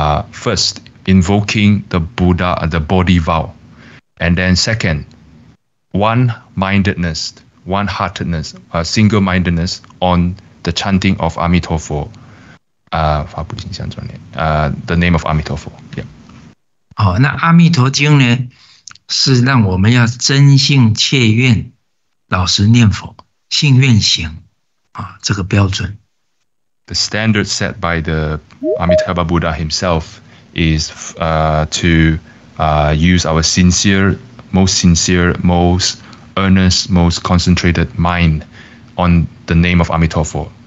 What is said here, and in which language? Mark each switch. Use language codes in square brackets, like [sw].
[en] first invoking the Buddha, the Bodhi vow, and then second, one-heartedness, a single-mindedness on the chanting of Amitabha, the name of Amitabha. Yeah. [zh] 哦，那《阿弥陀经》呢，是让我们要真信切愿，老实念佛，信愿行，这个标准。 [en] The standard set by the Amitabha Buddha himself is use our most sincere, most earnest, most concentrated mind on the name of Amitabha.